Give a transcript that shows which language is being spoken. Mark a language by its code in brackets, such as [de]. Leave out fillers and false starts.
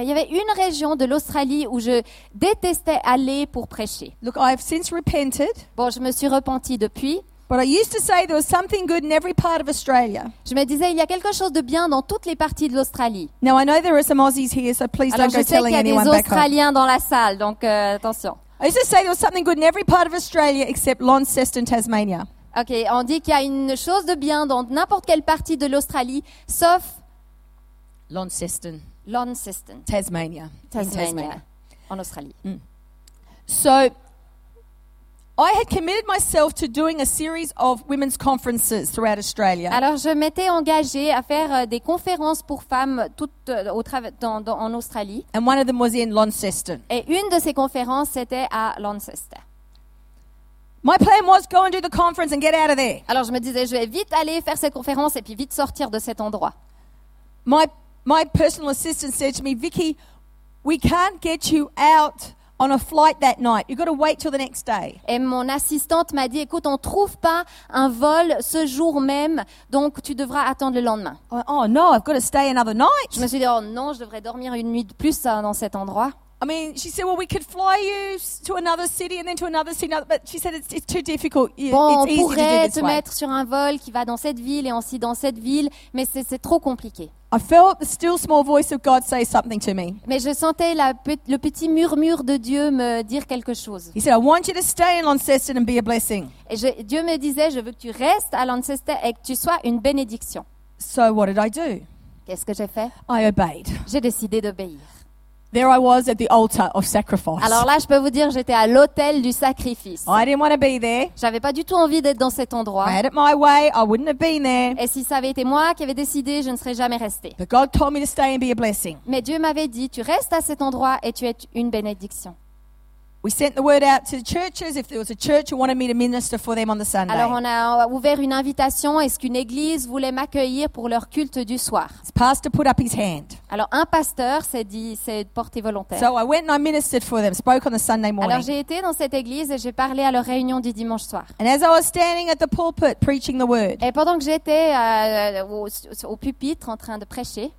[fr] Et il y avait une région de l'Australie où je détestais aller pour prêcher. [en] Look, I've since repented. [fr] Bon, je me suis repenti depuis. [en] But I used to say there was something good in every part of Australia. [fr] Je me disais il y a quelque chose de bien dans toutes les parties de l'Australie. [en] Now I know there are some Aussies here, so please don't go telling anyone back home. [fr] Alors je sais qu'il y a des Australiens dans la salle, donc attention. [en] I used to say there was something good in every part of Australia except Launceston, Tasmania. [fr] Ok, on dit qu'il y a une chose de bien dans n'importe quelle partie de l'Australie, sauf Launceston. Tasmania. En Australie. Mm. [en] So, I had committed myself to doing a series of women's conferences throughout Australia. [fr] Alors, je m'étais engagée à faire des conférences pour femmes toutes en Australie. [en] And one of them was in Launceston. [fr] Et une de ces conférences, c'était à Launceston. [en] My plan was go and do the conference and get out of there. [fr] Alors, je me disais, je vais vite aller faire cette conférence et puis vite sortir de cet endroit. [en] My personal assistant said to me, Vicky, we can't get you out on a flight that night. You've got to wait till the next day. [fr] Et mon assistante m'a dit, écoute, on trouve pas un vol ce jour même, donc tu devras attendre le lendemain. [en] Oh no, I've got to stay another night. [fr] Je me suis dit, oh non, je devrais dormir une nuit de plus dans cet endroit. [en] I mean, she said, well, we could fly you to another city and then to another city, but she said it's too difficult. [fr] Bon, [en] it's [fr] on pourrait te mettre sur un vol qui va dans cette ville et ensuite dans cette ville, mais c'est trop compliqué. [en] I felt the still small voice of God say something to me. [fr] Mais je sentais le petit murmure de Dieu me dire quelque chose. [en] He said, I want you to stay in Launceston and be a blessing. [fr] Et Dieu me disait, je veux que tu restes à Launceston et que tu sois une bénédiction. [en] So what did I do? [fr] Qu'est-ce que j'ai fait? [en] I obeyed. [fr] J'ai décidé d'obéir. [en] There I was at the altar of sacrifice. [fr] Alors là, je peux vous dire, j'étais à l'autel du sacrifice. [en] I didn't want to be there. [fr] J'avais pas du tout envie d'être dans cet endroit. [en] I had it my way, I wouldn't have been there. [fr] Et si ça avait été moi qui avait décidé, je ne serais jamais restée. [en] But God told me to stay and be a blessing. [fr] Mais Dieu m'avait dit, tu restes à cet endroit et tu es une bénédiction. [en] We sent the word out to the churches if there was a church who wanted me to minister for them on the Sunday. [fr] Alors on a ouvert une invitation. Est-ce qu'une église voulait m'accueillir pour leur culte du soir? [en] The pastor put up his hand. [fr] Alors un pasteur s'est porté volontaire. [en] So I went and I ministered for them. Spoke on the Sunday morning. [fr] Alors j'ai été dans cette église et j'ai parlé à leur réunion du dimanche soir. [en] And as I was standing at the pulpit preaching the word. [fr] Et pendant que j'étais au pupitre en train de prêcher.